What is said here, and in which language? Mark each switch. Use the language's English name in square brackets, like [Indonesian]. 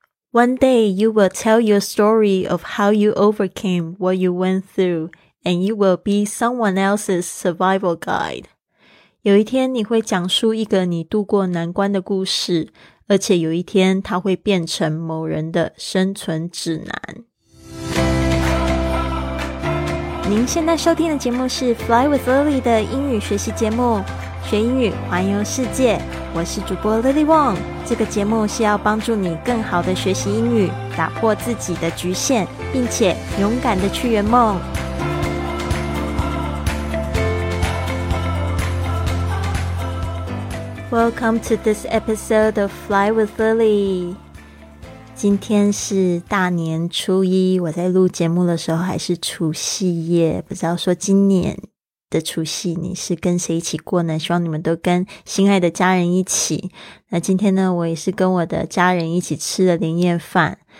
[English] One day you will tell your story of how you overcame what you went through, and you will be someone else's survival guide. [Chinese] 有一天你会讲述一个你度过难关的故事，而且有一天它会变成某人的生存指南。您现在收听的节目是 Fly with Lily 的英语学习节目，学英语环游世界，我是主播 Lily Wong。这个节目是要帮助你更好的学习英语，打破自己的局限，并且勇敢的去圆梦。 [English] Welcome to this episode of Fly with Lily。 [Chinese] 今天是大年初一，我在录节目的时候还是除夕夜，不知道说今年的除夕你是跟谁一起过呢？希望你们都跟心爱的家人一起。那今天呢，我也是跟我的家人一起吃了年夜饭。